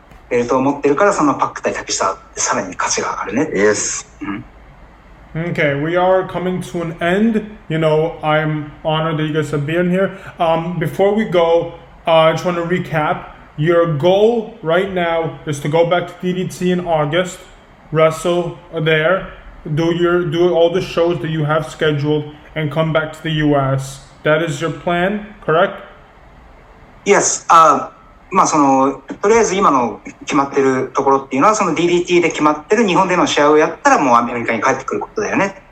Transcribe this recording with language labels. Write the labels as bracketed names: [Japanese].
[Japanese] ベルトを持ってるからそのパック対タキシタさらに価値が上がるね。Yes. [English] Mm-hmm. Okay, we are coming to an end. You know, I'm honored that you guys have been here. Before we go, I just want to recap. Your goal right now is to go back to DDT in August, wrestle there, do all the shows that you have scheduled, and come back to the U.S. That is your plan, correct? Yes. [Japanese] まあそのとりあえず今の決まってるところっていうのはその DDT で決まってる日本での試合をやったらもうアメリカに帰ってくることだよね。